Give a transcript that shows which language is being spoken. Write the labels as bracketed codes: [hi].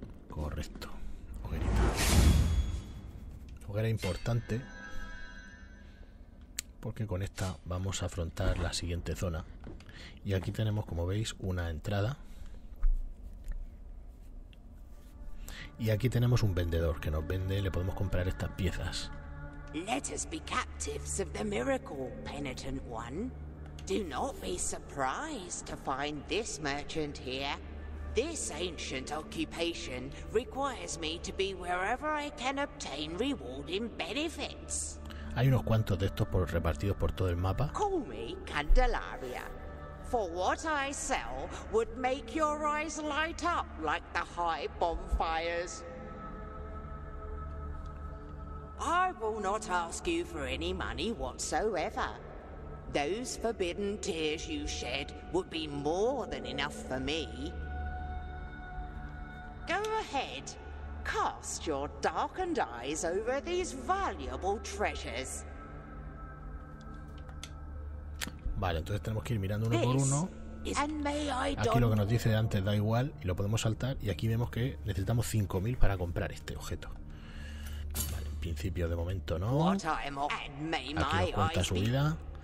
[es] Correcto. Hoguerita. Hoguera importante. porque con esta vamos a afrontar la siguiente zona. Y aquí tenemos, como veis, una entrada. Y aquí tenemos un vendedor que nos vende, le podemos comprar estas piezas. [en] Let us be captives of the miracle, penitent one. Do not be surprised to find this merchant here. This ancient occupation requires me to be wherever I can obtain rewarding benefits. [es] Hay unos cuantos de estos repartidos por todo el mapa. [en] Call me Candelaria. For what I sell would make your eyes light up like the high bonfires. I will not ask you for any money whatsoever. Those forbidden tears you shed would be more than enough for me. Go ahead. Cast your darkened eyes over these valuable treasures. [es] Vale, entonces tenemos que ir mirando uno por uno. Aquí lo que nos dice de antes da igual y lo podemos saltar. Y aquí vemos que necesitamos 5.000 para comprar este objeto. Vale, en principio de momento no. Aquí nos cuenta su vida.